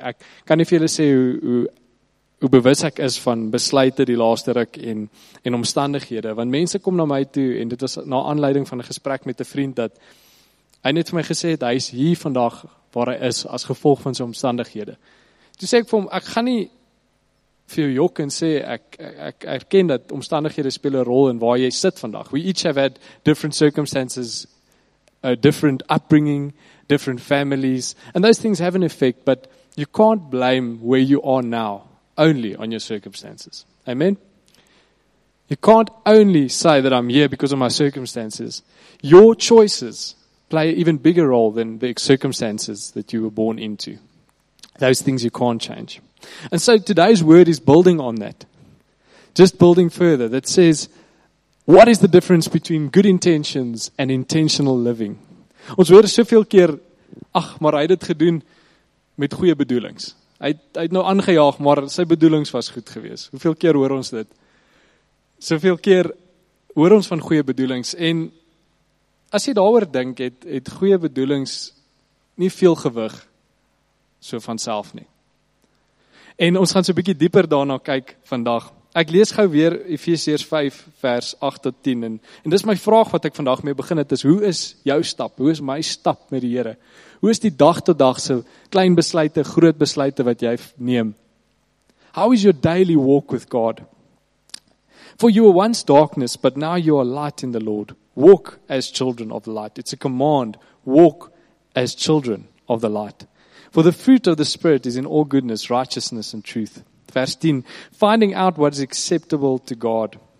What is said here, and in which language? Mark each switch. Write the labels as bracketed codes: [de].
[af] Ek kan nie vir julle sê hoe bewus ek is van besluite die laaste ruk en omstandighede, want mense kom na my toe en dit was na aanleiding van 'n gesprek met 'n vriend dat hy net vir my gesê het, hy is hier vandag waar hy is as gevolg van sy omstandighede. Toe sê ek vir hom, ek gaan nie vir jou jok en sê, ek erken dat omstandighede speel 'n rol in waar jy sit vandag. [en] We each have had different circumstances, a different upbringing, different families, and those things have an effect, but you can't blame where you are now only on your circumstances. Amen? You can't only say that I'm here because of my circumstances. Your choices play an even bigger role than the circumstances that you were born into. Those things you can't change. And so today's word is building on that. Just building further. That says, what is the difference between good intentions and intentional living? [af] Ons hoor soveel keer, ach, maar hy het dit gedoen met goeie bedoelings. Hy het nou aangejaag, maar sy bedoelings was goed geweest. Hoeveel keer hoor ons dit? Soveel keer hoor ons van goeie bedoelings. En as jy daaroor dink, het goeie bedoelings nie veel gewig so vanself nie. En ons gaan so 'n bietjie dieper daarna kyk vandag. Ek lees gou weer Efesiërs 5 vers 8 tot 10 en dis my vraag wat ek vandag mee begin het is, hoe is jou stap? Hoe is my stap met die Here? Hoe is die dag tot dag se klein besluite, groot besluite wat jy neem? [en] How is your daily walk with God? For you were once darkness, but now you are light in the Lord. Walk as children of the light. It's a command. Walk as children of the light. For the fruit of the Spirit is in all goodness, righteousness and truth. Vers 10, finding out what is acceptable to God.